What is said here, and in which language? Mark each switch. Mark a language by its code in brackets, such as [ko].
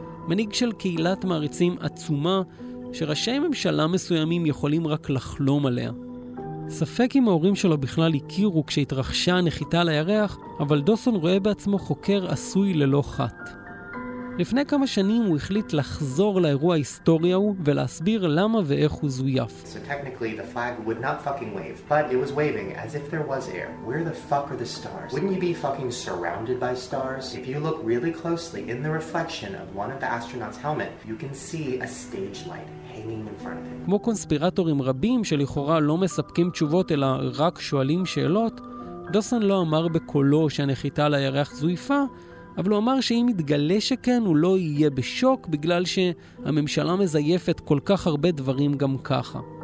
[he] מנהיג של קהילת מעריצים עצומה, שראשי ממשלה מסוימים יכולים רק לחלום עליה. ספק אם ההורים שלו בכלל הכירו כשהתרחשה הנחיתה לירח, אבל דוסון רואה בעצמו חוקר עשוי ללא חת. לפני כמה שנים הוא החליט לחזור לאירוע ההיסטוריה הוא ולהסביר למה ואיך הוא זויף. [en] So technically the flag would not fucking wave, but it was waving as if there was air. Where the fuck are the stars? Wouldn't you be fucking surrounded by stars? If you look really closely in the reflection of one of the astronauts' helmet, you can see a stage light hanging in front of him. [he] כמו קונספירטורים רבים שלכאורה לא מספקים תשובות אלא רק שואלים שאלות, דוסון לא אמר בקולו שהנחיתה לירח זויפה, אבל הוא אמר שאם יתגלה שכן, הוא לא יהיה בשוק, בגלל שהממשלה מזייפת כל כך הרבה דברים גם ככה.